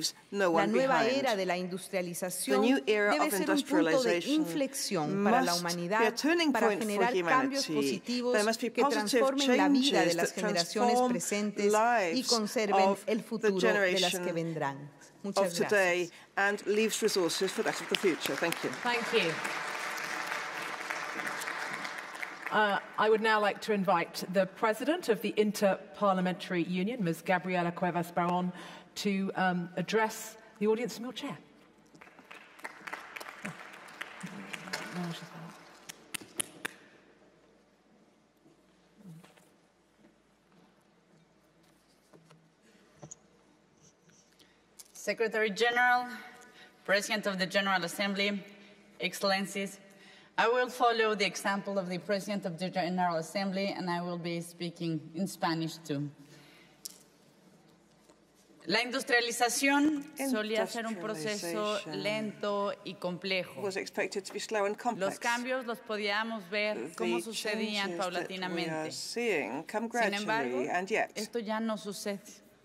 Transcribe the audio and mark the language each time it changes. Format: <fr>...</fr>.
<es>La nueva era de la industrialización debe ser un punto de inflexión para la humanidad, para generar cambios positivos que transformen la vida de las generaciones presentes y conserven el futuro de las que vendrán.</es> <en>Of today and leaves resources for that of the future. Thank you. Thank you. I would now like to invite the President of the Inter-Parliamentary Union, Ms. Gabriela Cuevas Barron, to address the audience from your chair. Secretary General, President of the General Assembly, Excellencies, I will follow the example of the President of the General Assembly, and I will be speaking in Spanish too.</en> <es>La industrialización solía ser un proceso lento y complejo.</es> <en>Was expected to be slow and complex.</en> <es>Los cambios los podíamos ver cómo sucedían paulatinamente. Sin embargo,</es> <en>and yet,</en> <es>esto ya no sucede.</es>